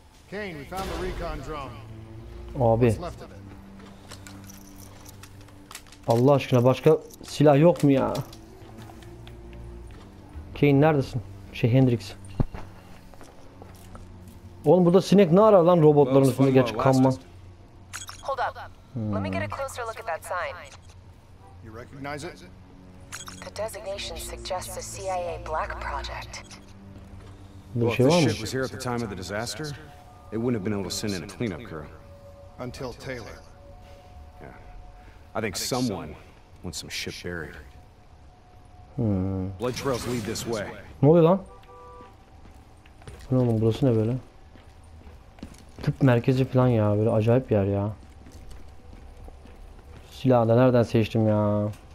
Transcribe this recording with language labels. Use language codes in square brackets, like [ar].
[en] Kane, we found the recon drone. [tr] Abi. Allah aşkına başka silah yok mu ya? Kane neredesin? Şey Hendrix. Oğlum burada sinek ne arar lan robotların üstünde geç kanma. [en] Hold up. Let me get a closer look at that sign. You recognize it? The designation suggests a CIA black project. [tr] Bir şey var mı? [en] Well, if the ship was here at the time of the disaster, it wouldn't have been able to send in a cleanup crew. Until Taylor. Yeah. I think someone wants some ship buried. Blood trails lead this way. [tr] Ne oluyor lan? Ne oğlum burası ne böyle? Tıp merkezi falan ya böyle acayip yer ya. Silahı da nereden seçtim ya?